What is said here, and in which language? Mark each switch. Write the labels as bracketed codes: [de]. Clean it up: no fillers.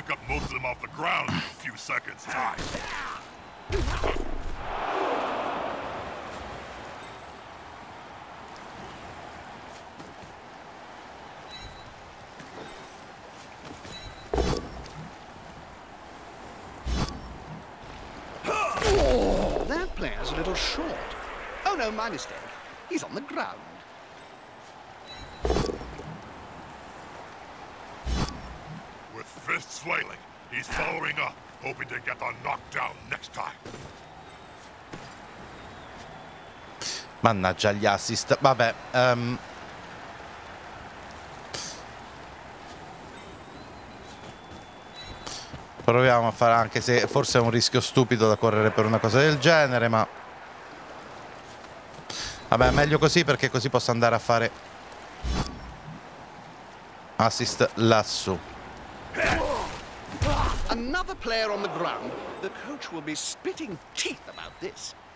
[en] That plan is a little short. Oh no, my mistake. He's on the ground. With fists flailing, he's following up, hoping to get the knockdown next time. [it] Mannaggia gli assist. Vabbè, proviamo a fare, anche se forse è un rischio stupido da correre per una cosa del genere, ma vabbè, meglio così, perché così posso andare a fare assist lassù. [en] Another player on the ground. The coach will be spitting teeth about this.